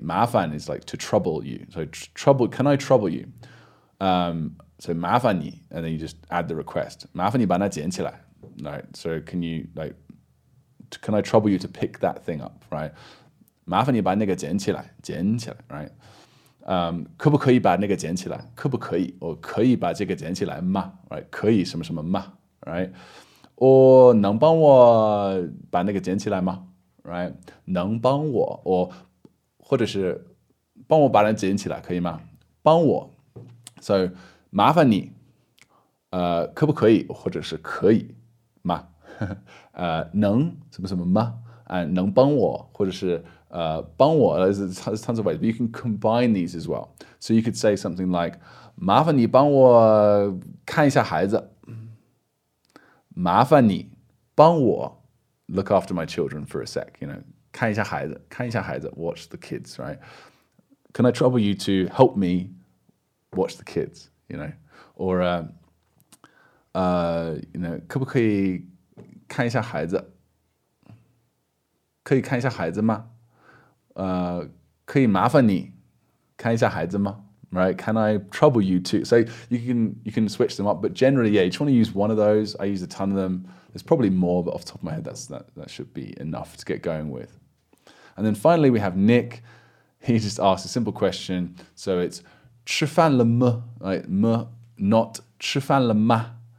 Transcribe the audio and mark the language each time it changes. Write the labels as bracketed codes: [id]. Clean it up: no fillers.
[en] 麻烦 is like to trouble you. So trouble, can I trouble you? So [zh] 麻烦你, [en] and then you just add the request. [zh] 麻烦你把那捡起来, [en] right? So can I trouble you to pick that thing up, right? [zh] 麻烦你把那个捡起来, [en] right? [zh] 可不可以把那个捡起来?可不可以? [en] Or [zh] 可以把这个捡起来吗? [en] Right? [zh] 可以什么什么吗?Right? Or 能帮我把那个捡起来吗? [en] Right? [zh] 能帮我, [en] or [zh] 或者是 帮我把那捡起来可以吗?帮我. [en] So [zh] 麻烦你, 可不可以? 或者是可以吗?能什么什么吗? [en] And [zh] 能帮我, 或者是 帮我, [en] there's tons of ways, but you can combine these as well. So you could say something like [zh] 麻烦你帮我看一下孩子, 麻烦你帮我 [en] look after my children for a sec, you know, [zh] 看一下孩子, [en] watch the kids, right? Can I trouble you to help me watch the kids, you know? Or, [zh] 可不可以, 看一下孩子，可以看一下孩子吗？可以麻烦你看一下孩子吗？ [en] Right? Can I trouble you too? So you can switch them up, but generally, yeah, you just want to use one of those. I use a ton of them. There's probably more, but off the top of my head, that should be enough to get going with. And then finally, we have Nick. He just asked a simple question. So it's [zh] 吃饭了吗? [en] Right? [zh] 吗, [en] not [zh] 吃饭了吗?